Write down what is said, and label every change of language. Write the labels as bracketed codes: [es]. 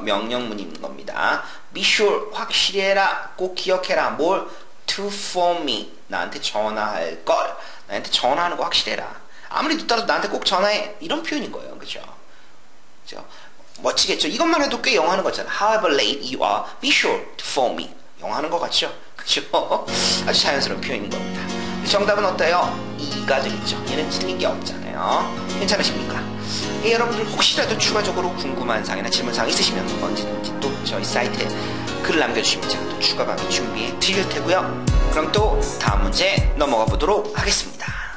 [ko] 명령문인 겁니다. [en] Be sure [ko] 확실히 해라. 꼭 기억해라. 뭘? [en] To phone me [ko] 나한테 전화할 걸. 나한테 전화하는 거 확실히 해라. 아무리 늦더라도 나한테 꼭 전화해. 이런 표현인 거예요. 그죠? 그죠? 멋지겠죠? 이것만 해도 꽤 영어하는 거잖아. [en] However late you are, be sure to phone me. [ko] 영어하는 거 같죠? 그죠? 아주 자연스러운 표현인 겁니다. 정답은 어때요? 이가 되겠죠. 얘는 틀린 게 없잖아요. 괜찮으십니까? 예, 여러분들 혹시라도 추가적으로 궁금한 사항이나 질문사항 있으시면 언제든지 또 저희 사이트에 글을 남겨주시면 제가 또 추가 강의 준비해 드릴 테고요. 그럼 또 다음 문제 넘어가 보도록 하겠습니다.